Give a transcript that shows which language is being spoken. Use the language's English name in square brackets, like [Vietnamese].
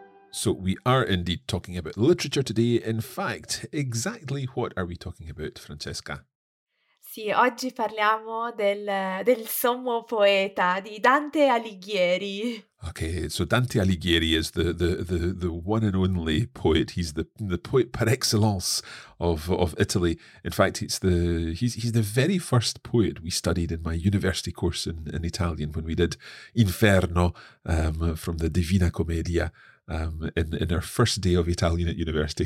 [English] So we are indeed talking about literature today. In fact, exactly what are we talking about, Francesca? [Italian] Sì, oggi parliamo del sommo poeta, di Dante Alighieri. [English] Okay, so Dante Alighieri is the one and only poet. He's the poet par excellence of Italy. In fact, he's the very first poet we studied in my university course in Italian when we did Inferno from the Divina Commedia in our first day of Italian at university.